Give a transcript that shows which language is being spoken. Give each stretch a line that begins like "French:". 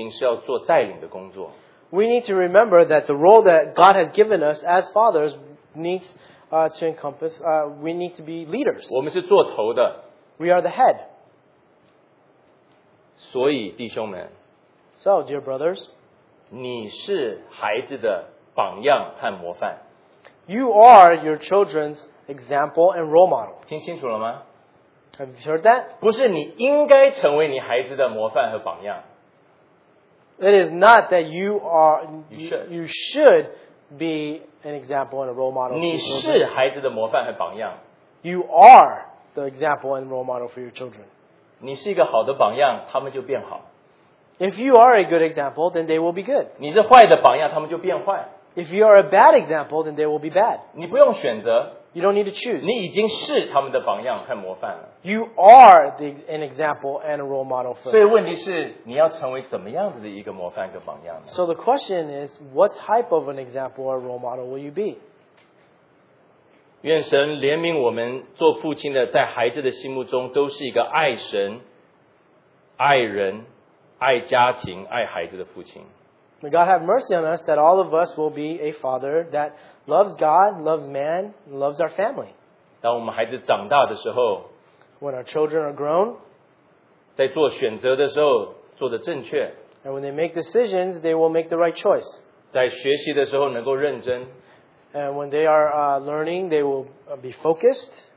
Chinese: 我们要记得，因为我们在家庭当中，神给我们的角色做父亲是要做带领的工作。
English: We need to remember that the role that God has given us as fathers needs to encompass. We need to be leaders.
Chinese: 我们是做头的。
English: We are the head.
Chinese: 所以，弟兄们。
English: So, dear brothers,
Chinese: 你是孩子的榜样和模范。
English: You are your children's example and role model.
Chinese: 听清楚了吗？
English: Have you heard that?
Chinese: 不是你应该成为你孩子的模范和榜样。
English: It is not that you are, you should be an example and a role model.
Chinese: 你是孩子的模范和榜样。
English: You are the example and role model for your children.
Chinese: 你是一个好的榜样，他们就变好。
English: If you are a good example, then they will be good.
Chinese: 你是坏的榜样，他们就变坏。
English: If you are a bad example, then they will be bad.
Chinese: 你不用选择。
English: You don't need to choose.
Chinese: 你已经是他们的榜样和模范了。
English: You are an example and a role model for them.
Chinese: 所以问题是，你要成为怎么样子的一个模范跟榜样呢？
English: So the question is, what type of an example or role model will you be?
Chinese: 愿神怜悯我们做父亲的，在孩子的心目中都是一个爱神、爱人、爱家庭、爱孩子的父亲。
English: May God have mercy on us that all of us will be a father that loves God, loves man, and loves our family.
Chinese: 当我们孩子长大的时候,
English: when our children are grown,
Chinese: 在做选择的时候, 做得正确,
English: and when they make decisions, they will make the right choice.
Chinese: 在学习的时候能够认真,
English: and when they are learning, they will be focused.